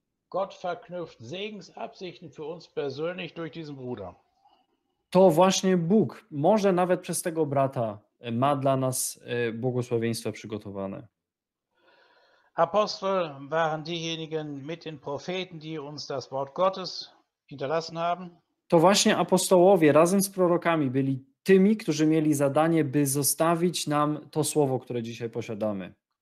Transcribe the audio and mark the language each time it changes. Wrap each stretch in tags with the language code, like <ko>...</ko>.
<de>Gott verknüpft Segensabsichten für uns persönlich durch diesen Bruder.</de> <pl>To właśnie Bóg, może nawet przez tego brata, ma dla nas błogosławieństwa przygotowane.</pl> <de>Apostel waren diejenigen mit den Propheten, die uns das Wort Gottes hinterlassen haben.</de> <pl>To właśnie apostołowie razem z prorokami byli tymi, którzy mieli zadanie, by zostawić nam to słowo, które dzisiaj posiadamy.</pl>